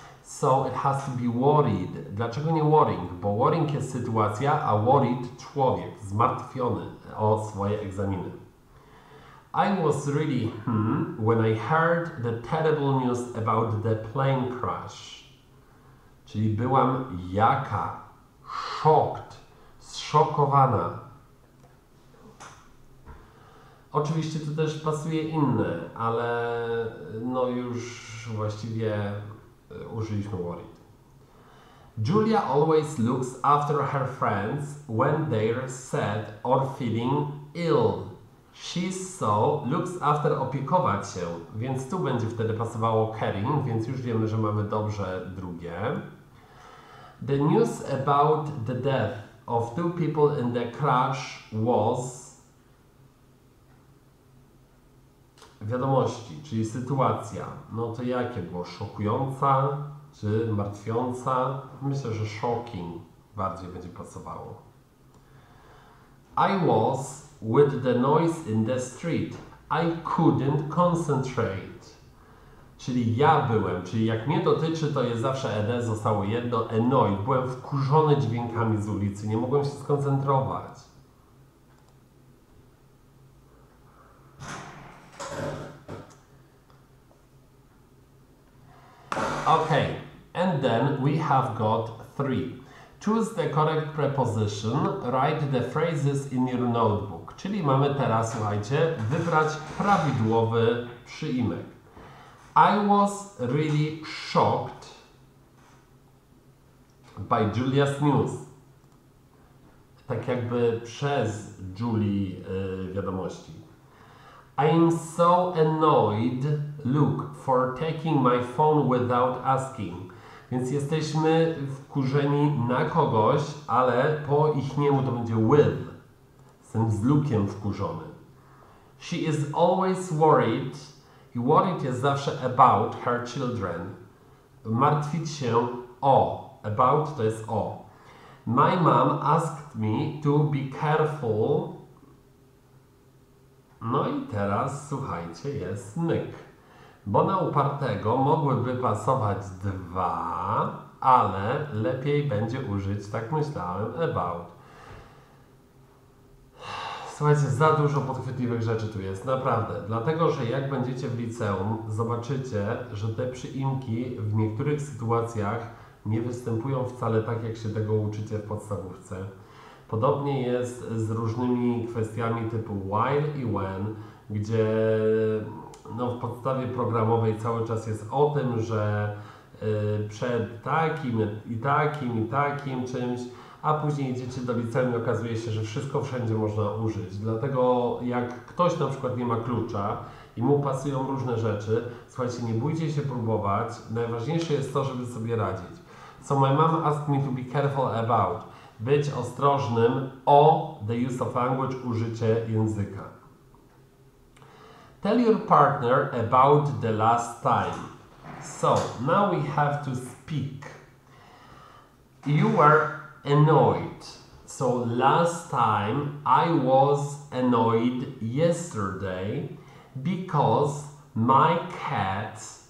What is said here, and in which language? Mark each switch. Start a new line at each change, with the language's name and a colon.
English: So it has to be worried.
Polish: Dlaczego nie worrying? Bo worrying jest sytuacja, a worried człowiek, zmartwiony o swoje egzaminy.
English: I was really when I heard the terrible news about the plane crash.
Polish: Czyli byłam jaka? Shocked. Zszokowana. Oczywiście to też pasuje inne, ale no już właściwie użyliśmy worried.
English: Julia always looks after her friends when they're sad or feeling ill. She so looks after
Polish: opiekować się, więc tu będzie wtedy pasowało caring, więc już wiemy, że mamy dobrze drugie.
English: The news about the death of two people in the crash was...
Polish: Wiadomości, czyli sytuacja. No to jakie było? Szokująca czy martwiąca? Myślę, że shocking bardziej będzie pasowało.
English: I was with the noise in the street. I couldn't concentrate.
Polish: Czyli ja byłem, czyli jak mnie dotyczy, to jest zawsze ED, zostało jedno, annoyed. Byłem wkurzony dźwiękami z ulicy, nie mogłem się skoncentrować.
English: Okay, and then we have got three. Choose the correct preposition, write the phrases in your notebook.
Polish: Czyli mamy teraz, słuchajcie, wybrać prawidłowy przyimek.
English: I was really shocked by Julia's news.
Polish: Tak jakby przez Julii wiadomości.
English: I'm so annoyed, Luke, for taking my phone without asking.
Polish: Więc jesteśmy wkurzeni na kogoś, ale po ichniemu to będzie with. Jestem z Luke'iem wkurzony.
English: She is always worried.
Polish: I worried jest zawsze
English: about her children.
Polish: Martwić się o. About to jest o.
English: My mom asked me to be careful.
Polish: No i teraz, słuchajcie, jest myk. Bo na upartego mogłyby pasować dwa, ale lepiej będzie użyć, tak myślałem, about. Słuchajcie, za dużo podchwytliwych rzeczy tu jest, naprawdę. Dlatego, że jak będziecie w liceum, zobaczycie, że te przyimki w niektórych sytuacjach nie występują wcale tak, jak się tego uczycie w podstawówce. Podobnie jest z różnymi kwestiami typu while i when, gdzie no, w podstawie programowej cały czas jest o tym, że przed takim i takim i takim czymś, a później idziecie do liceum i okazuje się, że wszystko wszędzie można użyć. Dlatego jak ktoś na przykład nie ma klucza i mu pasują różne rzeczy, słuchajcie, nie bójcie się próbować. Najważniejsze jest to, żeby sobie radzić.
English: So my mom asked me to be careful about.
Polish: Być ostrożnym o
English: the use of language,
Polish: użycie języka.
English: Tell your partner about the last time. So, now we have to speak. You were annoyed. So, last time I was annoyed yesterday because my cat